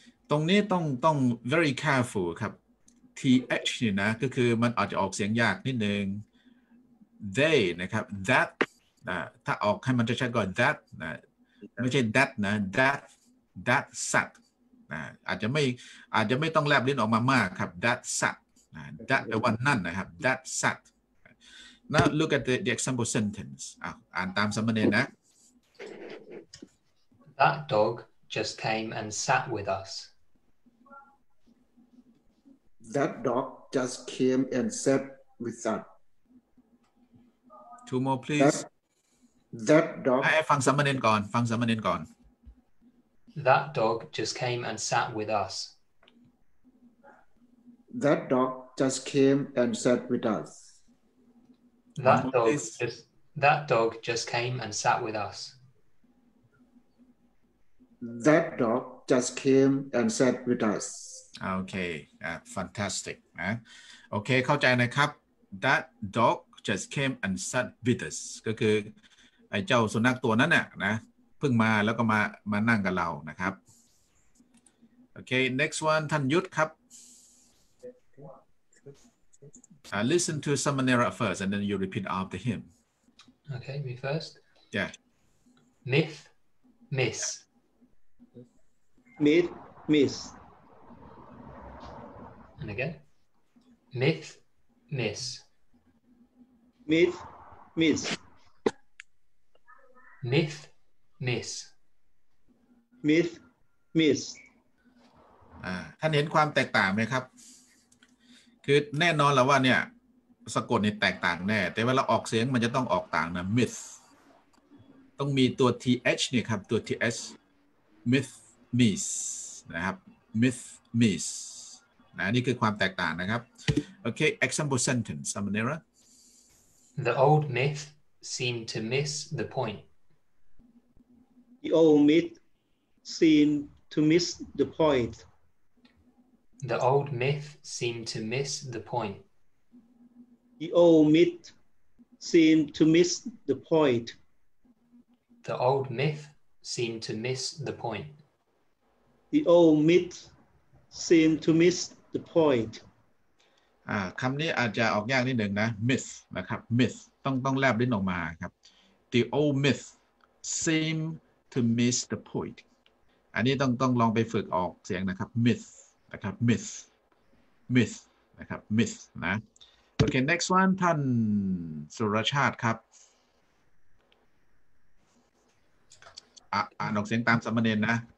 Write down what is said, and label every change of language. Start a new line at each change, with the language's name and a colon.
Thai: ตรงนี้ต้อง
English: very careful
Thai: ครับ th นี่นะก็คือมันอาจจะออกเสียงยากนิดนึง they นะครับ that นะถ้าออกให้มันจะใช้ก่อน that นะไม่ใช่ that นะ that sat นะอาจจะไม่ต้องแลบลิ้นออกมามากครับ that sat นะ that แปลว่านั่นนะครับ that sat
English: now look at the example sentence
Thai: อ่านตามสมณีนะ
English: that dog just came and sat with us that dog just came and sat with us two more please That dog.
Thai: ฟังสามเณรก่อน.
English: That dog just came and sat with us. That dog just came and sat with us. That dog just came and sat with us. That dog just came and sat with us. Okay, fantastic. Okay,
Thai: เข้าใจนะครับ
English: That dog just came and sat with us.
Thai: ก็คือไอ้เจ้าสุนัขตัวนั้นน่ะนะเพิ่งมาแล้วก็มานั่งกับเรานะครับ
English: Okay, next one,
Thai: ท่านยุทธครับ
English: listen to Samanera first and then you repeat after him. Okay, me first. Yeah. Myth, miss. Myth, miss. And again. Myth, miss. Myth, miss. Myth, miss. Myth, miss.
Thai: ท่านเห็นความแตกต่างไหมครับคือแน่นอนแล้วว่าเนี่ยสะกดนี่แตกต่างแน่แต่เวลาออกเสียงมันจะต้องออกต่างนะ myth ต้องมีตัว th นี่ครับตัว th myth miss นะครับ myth miss นะนี่คือความแตกต่างนะครับโอเค
English: example sentence Samanera the old myth seemed to miss the point the old myth seemed to miss the point the old myth seemed to miss the point The old myth seemed to miss the point. The old myth seemed to miss the point. The old myth seemed to miss the point.
Thai: คำนี้อาจจะออกยากนิดหนึ่งนะ myth นะครับ myth ต้องแลบลิ้นออกมาครับ
English: The old myth seemed to miss the point.
Thai: อันนี้ต้องลองไปฝึกออกเสียงนะครับ myth นะครับ myth myth นะครับ myth นะ
English: Okay, next one,
Thai: ท่านสุรชาติครับอ่านออกเสียงตามสมณเณรนะ